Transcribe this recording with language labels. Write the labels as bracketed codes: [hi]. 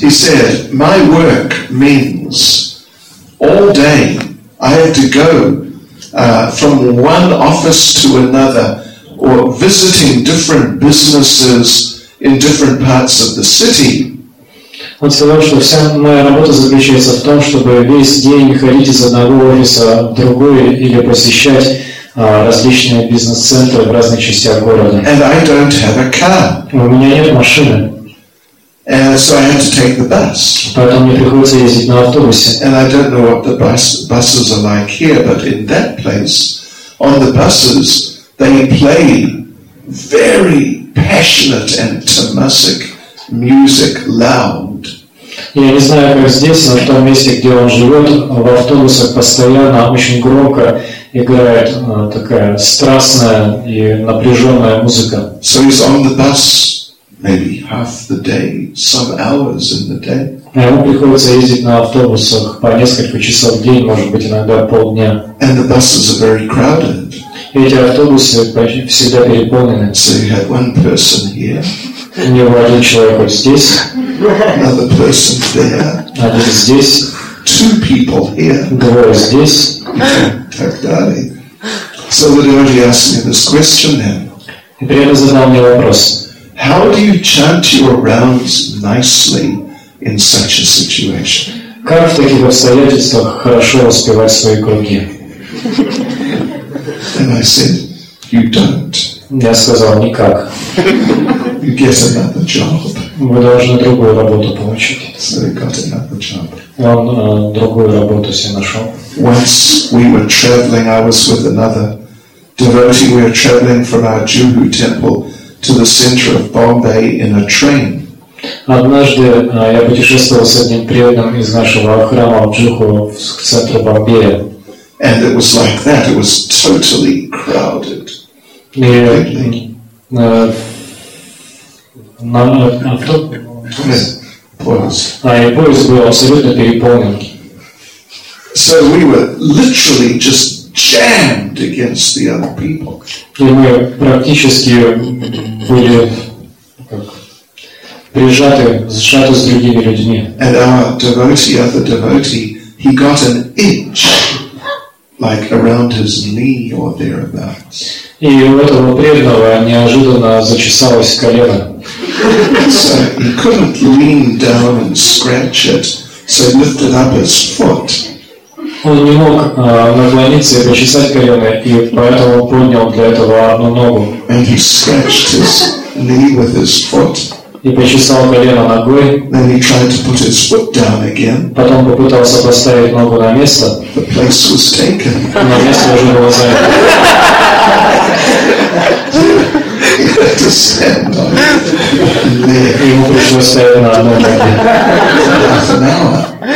[en] He said, my work means all day I have to go from one office to another or visiting different businesses in different parts of the city. [ru] Он сказал, что вся моя работа заключается в том, чтобы весь день ходить из одного офиса в другой или посещать различные бизнес-центры в разных частях города. [en] And I don't have a car. [ru] У меня нет машины. [en] And so I had to take the bus. [ru] Поэтому мне приходится ездить на автобусе. [en] And I don't know what the buses are like here, but in that place, on the buses, they play very passionate and tamasic music loud. [ru] Я не знаю, как здесь, но в том месте, где он живет, в автобусах постоянно очень громко играет такая страстная и напряженная музыка. [en] So he's on the bus maybe half the day, some hours in the day. [ru] Ему приходится ездить на автобусах по несколько часов в день, может быть, иногда полдня. [en] And the buses are very crowded. [ru] Эти автобусы всегда переполнены. [en] So you had one person here. [ru] У него один человек вот здесь. [en] Another person there. [ru] Один здесь. [en] Two people here. [ru] Двое здесь. Так далее. [en] So the devotee asked me this question then. [ru] И преданный задал мне вопрос. [en] How do you chant your rounds nicely in such a situation? [ru] Как в таких обстоятельствах хорошо распевать свои круги? [en] And I said, you don't. [ru] Я сказал, никак. [en] You get another job. [ru] Вы должны другую работу получить. [en] So he got another job. [ru] Он другую работу себе нашел. [en] Once we were traveling, I was with another devotee. We were traveling from our Juhu temple to the center of Bombay in a train. [ru] Однажды я путешествовал с одним преданным из нашего храма в Джуху в центр Бомбея. [en] And it was like that. It was totally crowded. [ru] И поезд был абсолютно переполнен. [en] So we were literally just jammed against the other people. [ru] И мы практически были прижаты, сжаты с другими людьми. [en] And our devotee, other devotee, he got an itch, like around his knee or thereabouts. [ru] И у этого преданного неожиданно зачесалось колено. [en] So he couldn't lean down and scratch it, so he lifted up his foot. [ru] Он не мог наклониться и почесать колено, и поэтому поднял для этого одну ногу. [en] And he scratched his knee with his foot. [ru] И почесал колено ногой. [en] Then he tried to put his foot down again. [ru] Потом попытался поставить ногу на место. [en] The place was taken. [ru] Но место уже было занято. [en] He had to stand on it. [ru] И ему пришлось ставить на одну ногу. [en] Half an hour.